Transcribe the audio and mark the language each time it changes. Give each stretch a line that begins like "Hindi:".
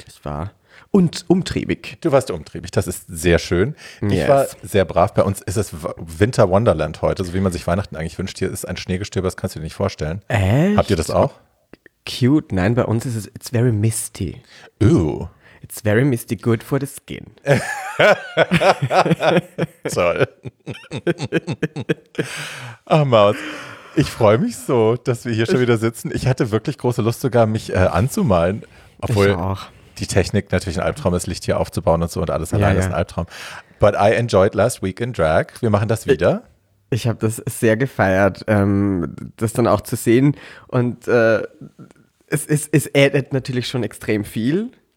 German: Ich war umtriebig. Du warst umtriebig, das ist sehr schön. Ich war sehr brav. Bei uns ist es Winter Wonderland heute, so wie man sich Weihnachten eigentlich wünscht. Hier ist ein Schneegestöber, das kannst du dir nicht vorstellen. Echt? Habt ihr das auch? Cute, nein, bei uns ist es,
English: it's very misty. Ooh. It's very misty, good for the skin.
German: Toll. Ach, Maus. Ich freue mich so, dass wir hier schon wieder sitzen. Ich hatte wirklich große Lust, sogar mich anzumalen. Obwohl die Technik natürlich ein Albtraum ist, Licht hier aufzubauen und so und alles alleine ist ein Albtraum.
English: But I enjoyed last week in drag.
German: Wir machen das wieder. Ich habe das sehr gefeiert, das dann auch zu sehen. Und es added natürlich schon extrem viel.